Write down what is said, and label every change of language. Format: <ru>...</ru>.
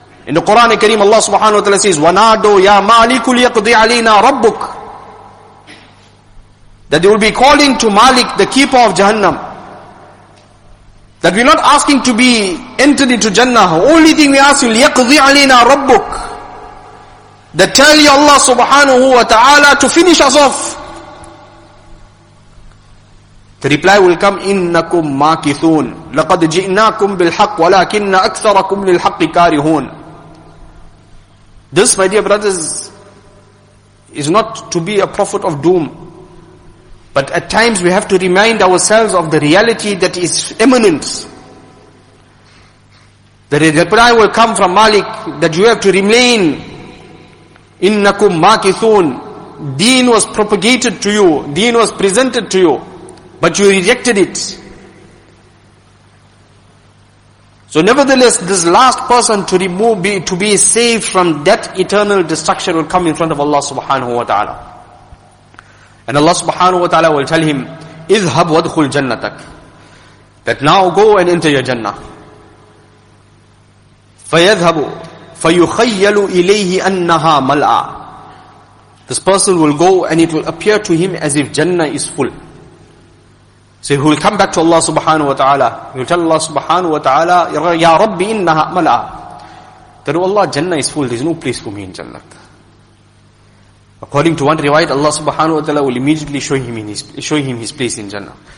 <en>In the Quran Kareem, Allah subhanahu wa ta'ala says,</en> <ar>وَنَادُوا يَا مَالِكُ لِيَقْضِي عَلَيْنَا رَبُّكُ,</ar> <en>that they will be calling to Malik, the keeper of Jahannam. That we're not asking to be entered into Jannah. Only thing we ask is,</en> <ar>لِيَقْضِي عَلَيْنَا رَبُّكُ,</ar> <en>that tell you Allah subhanahu wa ta'ala to finish us off. The reply will come,</en> <ar>إِنَّكُمْ مَاكِثُونَ لَقَدْ جِئْنَاكُمْ بِالْحَقِّ وَلَكِنَّ أَكْثَرَكُمْ لِلْحَقِّ كَارِهُونَ.</ar> <en>This, my dear brothers, is not to be a prophet of doom. But at times we have to remind ourselves of the reality that is imminent. The reply will come from Malik that you have to remain.</en> <ar>Innakum makithun.</ar> <en>Deen was propagated to you. Deen was presented to you. But you rejected it. So nevertheless, this last person to be saved from that eternal destruction will come in front of Allah subhanahu wa ta'ala. And Allah subhanahu wa ta'ala will tell him,</en> <ar>اذهب وادخل جنتك,</ar> <en>that now go and enter your Jannah.</en> <ar>فيذهب فيخيل إليه أنها ملأ.</ar> <en>This person will go and it will appear to him as if Jannah is full. So he will come back to Allah subhanahu wa ta'ala. He will tell Allah subhanahu wa ta'ala,</en> <ar>Ya Rabbi innaha mala'a.</ar> <en>That oh Allah, Jannah is full, there is no place for me in Jannah. According to one riwayat, Allah subhanahu wa ta'ala will immediately show him his place in Jannah.</en>